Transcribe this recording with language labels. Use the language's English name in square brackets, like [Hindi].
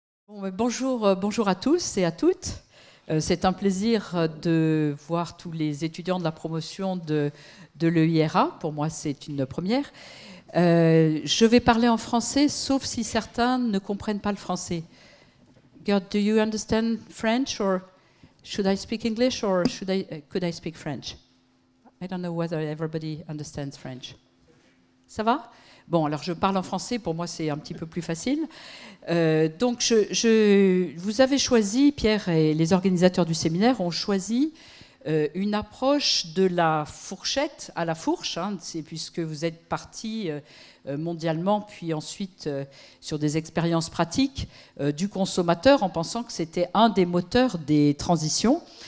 [French] Bonjour à tous et à toutes. C'est un plaisir de voir tous les étudiants de la promotion de l'EIRA. Pour moi, c'est une première. Je vais parler en français, sauf si certains ne comprennent pas le français. [English] Do you understand French, or should I speak English, or should I, could I speak French? I don't know whether everybody understands French. [French] Ça va? Bon, alors je parle en français, pour moi c'est un petit peu plus facile. Donc, vous avez choisi, Pierre et les organisateurs du séminaire ont choisi une approche de la fourchette à la fourche, hein, c'est puisque vous êtes parti mondialement, puis ensuite sur des expériences pratiques du consommateur, en pensant que c'était un des moteurs des transitions.